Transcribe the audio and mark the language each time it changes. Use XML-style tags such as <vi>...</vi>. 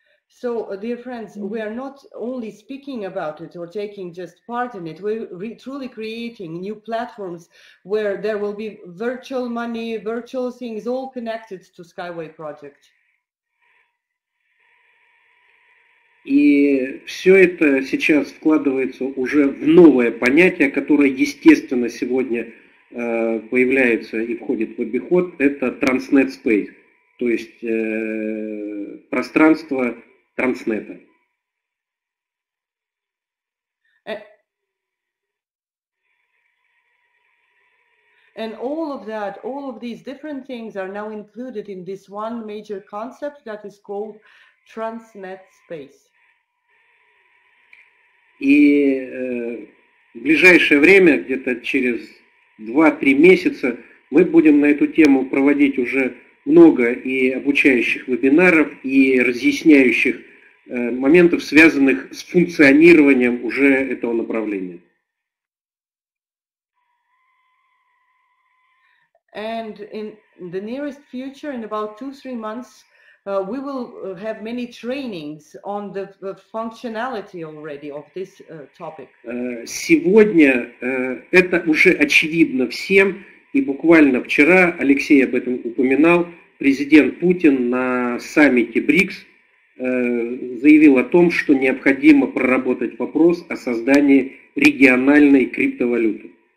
<en>So, dear friends, we are not only speaking about it or taking just part in it, we're truly creating new platforms where there will be virtual money, virtual things, all connected to Skyway project.</en> <ru>И все это сейчас вкладывается уже в новое понятие, которое, естественно, сегодня появляется и входит в обиход. Это Transnet Space, то есть пространство Транснета.</ru> <en>And all of that, all of these different things are now included in this one major concept that is called Transnet Space.</en> <ru>И в ближайшее время, где-то через 2-3 месяца, мы будем на эту тему проводить уже много и обучающих вебинаров, и разъясняющих моментов, связанных с функционированием уже этого направления.</ru> <en>And in the nearest future, in about 2-3 months, we will have many trainings on the functionality already of this topic.</en> <ru>Сегодня это уже очевидно всем, и буквально вчера Алексей об этом упоминал. Президент Путин на саммите БРИКС заявил о том, что необходимо проработать вопрос о создании региональной криптовалюты.</ru>